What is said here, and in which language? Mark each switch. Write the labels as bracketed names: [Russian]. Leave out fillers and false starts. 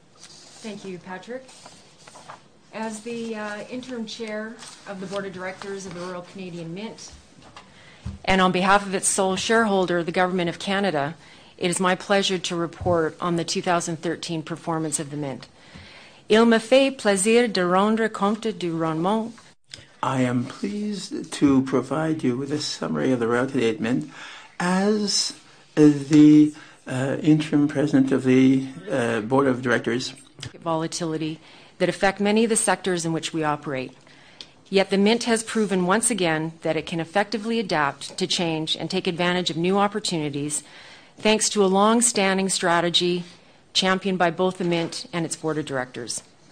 [English] Thank you, Patrick. As the Interim Chair of the Board of Directors of the Royal Canadian Mint, and on behalf of its sole shareholder, the Government of Canada, it is my pleasure to report on the 2013 performance of the Mint. [French] Il me fait plaisir de rendre compte du rendement. [English] I am pleased to provide you with a summary of the Royal Canadian Mint as the Interim President of the Board of Directors. Volatility that affect many of the sectors in which we operate. Yet the Mint has proven once again that it can effectively adapt to change and take advantage of new opportunities thanks to a long-standing strategy championed by both the Mint and its Board of Directors.